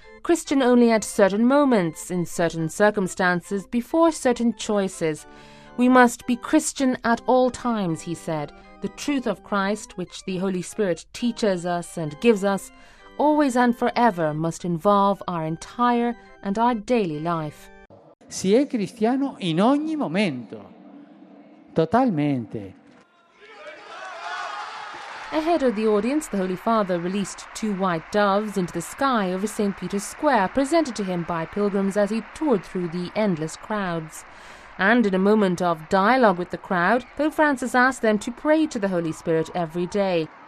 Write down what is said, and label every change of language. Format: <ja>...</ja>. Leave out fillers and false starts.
<en>Christian only at certain moments, in certain circumstances, before certain choices. We must be Christian at all times, he said. The truth of Christ, which the Holy Spirit teaches us and gives us, always and forever must involve our entire and our daily life.</en> <it>Si è cristiano in ogni momento, totalmente.</it> <en>Ahead of the audience, the Holy Father released two white doves into the sky over St. Peter's Square, presented to him by pilgrims as he toured through the endless crowds. And in a moment of dialogue with the crowd, Pope Francis asked them to pray to the Holy Spirit every day.</en>